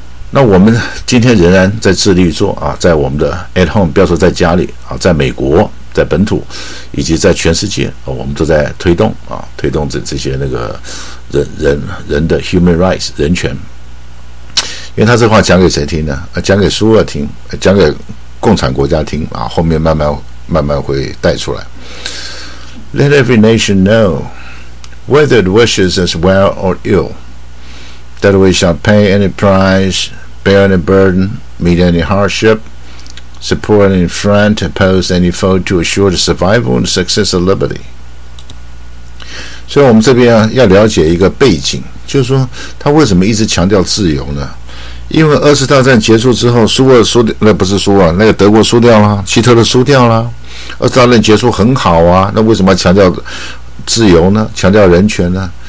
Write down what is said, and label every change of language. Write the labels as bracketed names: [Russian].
[Chinese] 那我们今天仍然在致力于做啊，在我们的 at home， 不要说在家里啊，在美国，在本土以及在全世界、哦、我们都在推动啊，推动这些那个人的 human rights 人权。因为他这话讲给谁听呢、啊、讲给苏俄听、啊、讲给共产国家听啊，后面慢慢会带出来。 [English] Let every nation know whether it wishes us well or ill that we shall pay any price, bear any burden, meet any hardshipSupport any friend, oppose any foe to assure the survival and success of liberty. [Chinese] 所以我们这边、啊、要了解一个背景，就是说他为什么一直强调自由呢？因为二次大战结束之后，苏俄输掉，那不是苏俄，那个德国输掉了，希特勒输掉了，二次大战结束很好啊，那为什么强调自由呢？强调人权呢？